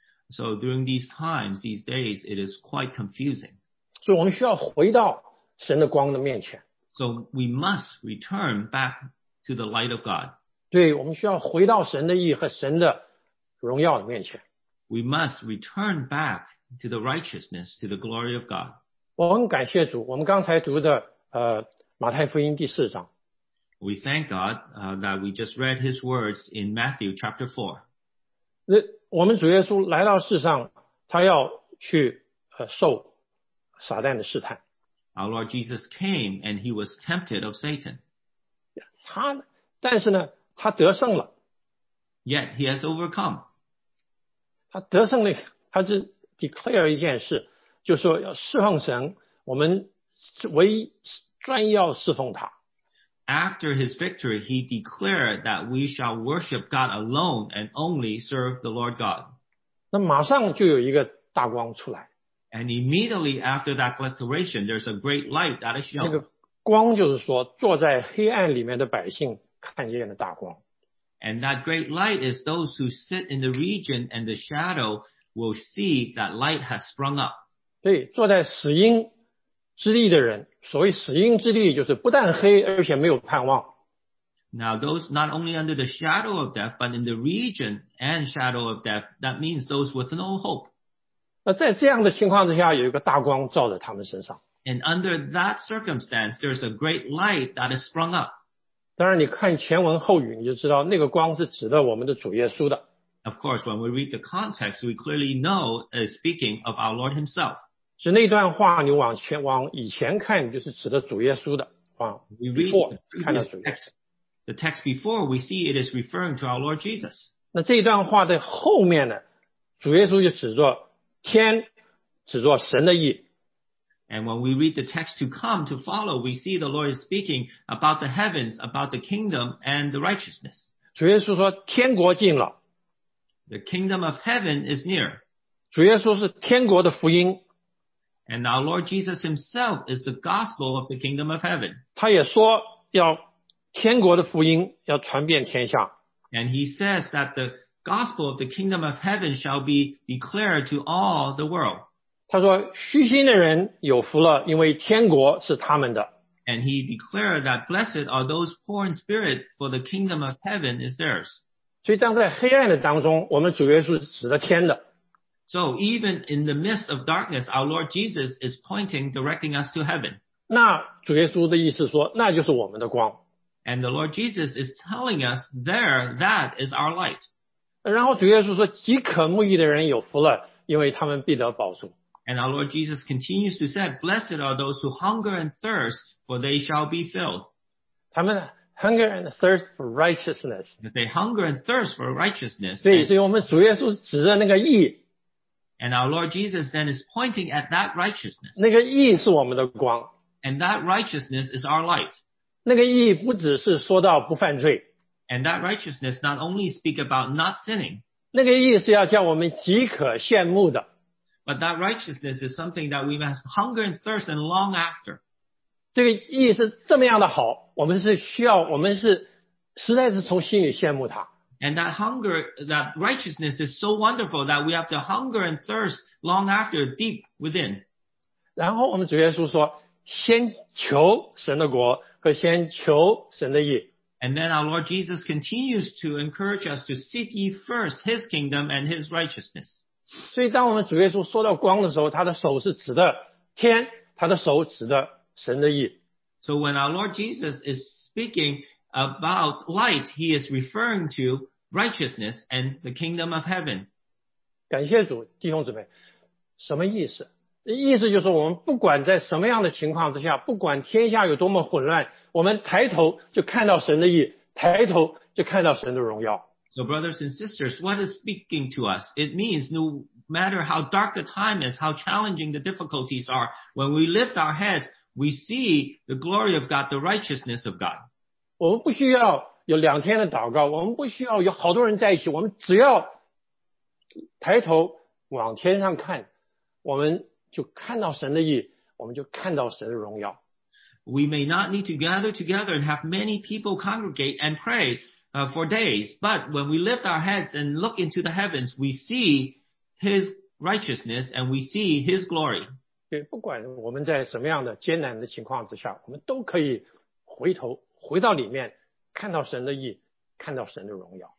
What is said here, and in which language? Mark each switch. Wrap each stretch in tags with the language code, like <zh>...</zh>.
<en>So during these times, these days, it is quite confusing.</en> <zh>所以我们需要回到神的光的面前。</zh> <en>So we must return back to the light of God.</en> <zh>对，我们需要回到神的义和神的荣耀的面前。</zh> <en>We must return back to the righteousness, to the glory of God.</en> <zh>我们感谢主，我们刚才读的马太福音第四章。</zh> <en>We thank God, that we just read his words in Matthew chapter 4.</en> <zh>我们主耶稣来到世上，他要去受撒旦的试探。</zh> <en>Our Lord Jesus came and he was tempted of Satan.</en> <zh>他但是呢他得胜了。</zh> <en>Yet he has overcome.</en> <zh>他得胜了，他是 declare 一件事，就是说要侍奉神，我们唯一专要侍奉他。</zh> <en>After his victory, he declared that we shall worship God alone and only serve the Lord God.</en> <zh>那马上就有一个大光出来。</zh> <en>And immediately after that declaration, there's a great light that is shown.</en> <zh>那个光就是说坐在黑暗里面的百姓看见的大光。</zh> <en>And that great light is those who sit in the region and the shadow will see that light has sprung up.</en> <zh>对，坐在死荫之地的人，所谓死荫之地就是不但黑而且没有盼望。</zh> <en>Now those not only under the shadow of death, but in the region and shadow of death, that means those with no hope.</en> <zh>那在这样的情况之下，有一个大光照在他们身上。</zh> <en>And under that circumstance, there's a great light that has sprung up.</en> <zh>当然你看前文后语，你就知道那个光是指的我们的主耶稣的。</zh> <en>Of course, when we read the context, we clearly know it's speaking of our Lord himself.</en> <zh>是那段话你往前往以前看，就是指的主耶稣的。</zh> <en>We read the text before, we see it is referring to our Lord Jesus.</en> <zh>那这段话的后面呢，主耶稣就指着天，指着神的意。</zh> <en>And when we read the text to come, to follow, we see the Lord is speaking about the heavens, about the kingdom and the righteousness.</en> <zh>主耶稣说天国近了。</zh> <en>The kingdom of heaven is near.</en> <zh>主耶稣是天国的福音。</zh> <en>And our Lord Jesus himself is the gospel of the kingdom of heaven.</en> <zh>他也说要天国的福音要传遍天下。</zh> <en>And he says that the gospel of the kingdom of heaven shall be declared to all the world.</en> <zh>他说虚心的人有福了，因为天国是他们的。</zh> <en>And he declared that blessed are those poor in spirit, for the kingdom of heaven is theirs.</en> <zh>所以当在黑暗的当中，我们主耶稣是指着天的。</zh> <en>So even in the midst of darkness, our Lord Jesus is pointing, directing us to heaven.</en> <zh>那主耶稣的意思说，那就是我们的光。</zh> <en>And the Lord Jesus is telling us there, that is our light.</en> <zh>然后主耶稣说，饥渴慕义的人有福了，因为他们必得饱足。</zh> <en>And our Lord Jesus continues to say, blessed are those who hunger and thirst, for they shall be filled.</en> <zh>他们</zh> <en>hunger and thirst for righteousness. They hunger and thirst for righteousness.</en> <zh>对，所以我们主耶稣指着那个义。</zh> <en>And our Lord Jesus then is pointing at that righteousness.</en> <zh>那个义是我们的光。</zh> <en>And that righteousness is our light.</en> <zh>那个义不只是说到不犯罪。</zh> <en>And that righteousness not only speak about not sinning.</en> <zh>那个义是要叫我们饥渴羡慕的。</zh> <en>But that righteousness is something that we must hunger and thirst and long after.</en> <zh>这个意义是这么样的好，我们是需要，我们是实在是从心里羡慕他。</zh> <en>And that hunger, that righteousness is so wonderful that we have to hunger and thirst long after deep within.</en> <zh>然后我们主耶稣说，先求神的国和先求神的义。</zh> <en>And then our Lord Jesus continues to encourage us to seek ye first his kingdom and his righteousness.</en> <zh>所以当我们主耶稣说到光的时候，他的手是指的天，他的手指的神的义。</zh> <en>So when our Lord Jesus is speaking about light, he is referring to righteousness and the kingdom of heaven.</en> <zh>感谢主，弟兄姊妹，什么意思？意思就是我们不管在什么样的情况之下，不管天下有多么混乱，我们抬头就看到神的义，抬头就看到神的荣耀。</zh> <en>So brothers and sisters, what is speaking to us? It means no matter how dark the time is, how challenging the difficulties are, when we lift our heads, we see the glory of God, the righteousness of God.</en> <zh>我们不需要有两天的祷告，我们不需要有好多人在一起，我们只要抬头往天上看，我们就看到神的义，我们就看到神的荣耀。</zh> <en>We may not need to gather together and have many people congregate and pray. For days, but when we lift our heads and look into the heavens, we see His righteousness and we see His glory.</en> <zh>对，不管我们在什么样的艰难的情况之下，我们都可以回头，回到里面，看到神的义，看到神的荣耀。</zh>